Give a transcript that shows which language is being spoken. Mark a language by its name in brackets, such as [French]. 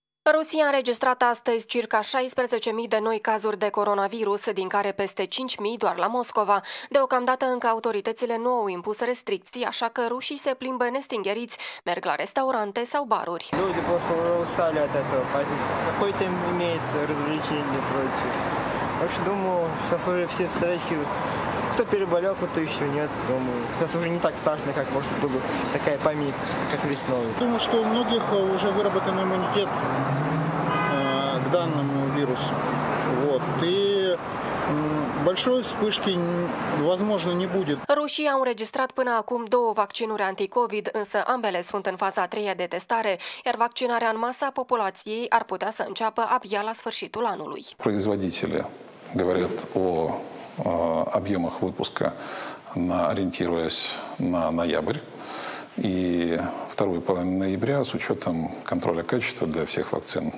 [Romanian] Rusia a înregistrat astăzi circa 16.000 de noi cazuri de coronavirus, din care peste 5.000 doar la Moscova. Deocamdată încă autoritățile nu au impus restricții, așa că rușii se plimbă nestingheriți, merg la restaurante sau baruri. [Russian] Люди просто устали от этого, поэтому какое-то имеется развлечение против. Вообще думаю, сейчас уже все страхи. Кто переболел, кто еще нет, думаю. Сейчас уже не так страшно, как может быть такая паника, как весной. Думаю, что у многих уже выработан иммунитет к данному вирусу. Вот. И большой вспышки, возможно, не будет. [Romanian] Rușii au înregistrat până acum două vaccinuri anti-COVID, însă ambele sunt în faza a treia de testare, iar vaccinarea în masă a populației ar putea să înceapă abia la sfârșitul anului. [Russian] Производители говорят о объемах выпуска, ориентируясь на ноябрь и вторую половину ноября, с учетом контроля качества для всех вакцин.